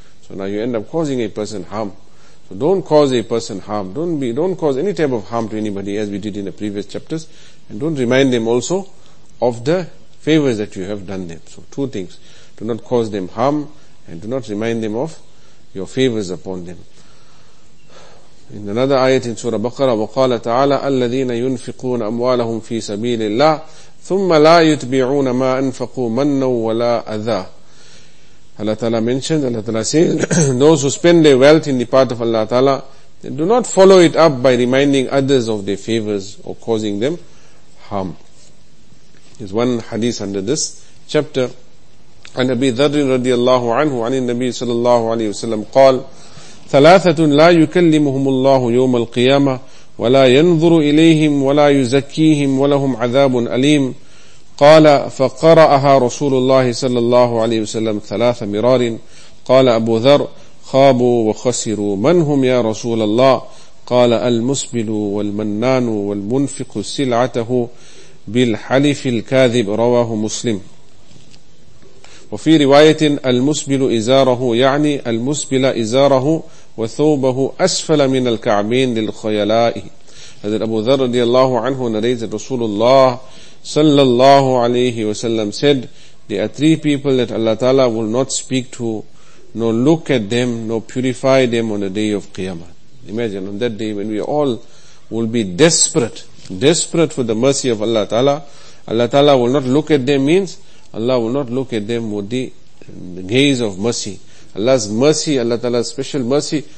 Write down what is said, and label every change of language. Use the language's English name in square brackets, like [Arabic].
[English] So now you end up causing a person harm. So don't cause a person harm. Don't cause any type of harm to anybody as we did in the previous chapters. And don't remind them also of the favors that you have done them. So two things. Do not cause them harm and do not remind them of your favors upon them. In another ayat in Surah Baqarah, [Arabic] وَقَالَ تَعَالَىٰ أَلَّذِينَ يُنْفِقُونَ أَمْوَالَهُمْ فِي سَبِيلِ اللَّهِ ثُمَّ لَا يُتْبِعُونَ مَا أَنْفَقُوا مَنَّوْ وَلَا أَذَىٰ. [English] Allah Ta'ala mentions, Allah Ta'ala says, those who spend their wealth in the path of Allah Ta'ala, they do not follow it up by reminding others of their favors or causing them harm. There's one hadith under this chapter. [Arabic] An Abi Dharr radiallahu anhu, an Nabi sallallahu alayhi wa sallam, qal, thalathatun la yukallimuhumullahu yawm al-qiyamah, wala yanzuru ilayhim, wala yuzakkihim, walahum azabun alim. قال فقرأها رسول الله صلى الله عليه وسلم ثلاث مرار قال أبو ذر خابوا وخسروا من هم يا رسول الله قال المسبل والمنان والمنفق سلعته بالحلف الكاذب رواه مسلم وفي رواية المسبل إزاره يعني المسبل إزاره وثوبه أسفل من الكعبين للخيلاء. هذا أبو ذر رضي الله عنه نريد رسول الله [English] sallallahu alayhi wa sallam said, there are three people that Allah Ta'ala will not speak to, nor look at them, nor purify them on the day of Qiyamah. Imagine on that day when we all will be desperate for the mercy of Allah Ta'ala, Allah Ta'ala will not look at them means, Allah will not look at them with the gaze of mercy. Allah's mercy, Allah Ta'ala's special mercy